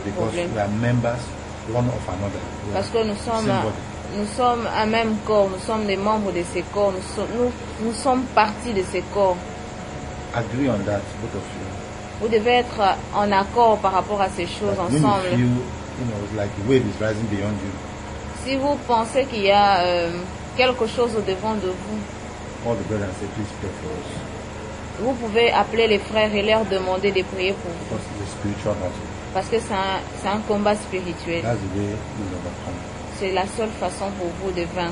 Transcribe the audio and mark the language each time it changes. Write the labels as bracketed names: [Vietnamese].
[English] because [French] problèmes. [English] We are members one of another. [French] Parce que nous sommes un même corps, nous sommes des membres de ce corps, nous sommes partie de ce corps. [English] Agree on that, both of you. [French] Vous devez être en accord par rapport à ces choses [English] that [French] ensemble. [English] When you feel, you know, like the wave is rising beyond you. [French] Si vous pensez qu'il y a quelque chose au devant de vous, [English] all the brothers say, please pray for us. [French] Vous pouvez appeler les frères et leur demander de prier pour vous. [English] Because it's a spiritual battle. [French] Parce que c'est un combat spirituel. [English] That's the way you overcome. [French] C'est la seule façon pour vous de vaincre.